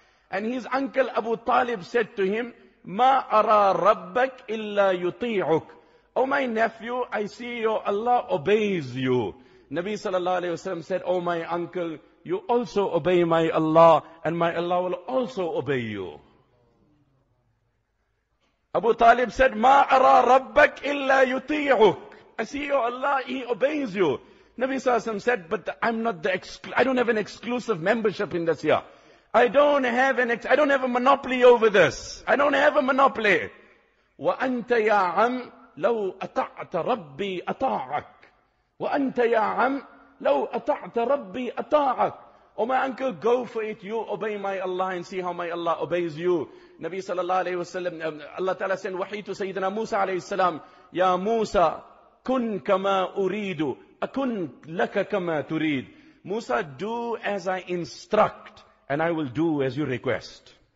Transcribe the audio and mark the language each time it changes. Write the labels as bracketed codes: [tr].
[en] And his uncle Abu Talib said to him, [ar] مَا أَرَى رَبَّكْ إِلَّا يُطِيعُكْ. [en] O my nephew, I see your Allah obeys you. Nabi sallallahu alayhi wa sallam said, O my uncle, you also obey my Allah, and my Allah will also obey you. Abu Talib said, [ar] مَا أَرَى رَبَّكْ إِلَّا يُطِيعُكْ. [en] I see your Allah, he obeys you. Nabi sallallahu alayhi wa sallam said, I don't have an exclusive membership in this year. I don't have a monopoly over this. I don't have a monopoly. [ar] وَأَنْتَ يَا عَمْ لَوْ أَطَعْتَ رَبِّي أَطَاعَكْ. وَأَنْتَ يَا عَمْ لَوْ أَطَعْتَ رَبِّي أَطَاعَكْ. [en] Oh my uncle, go for it. You obey my Allah and see how my Allah obeys you. Nabi sallallahu alayhi wa sallam, Allah ta'ala sent wahi to Sayyidina Musa alayhi salam. [ar] Ya Musa, kun kama uridu. Akun laka kama turid. [en] Musa, do as I instruct, and I will do as you request.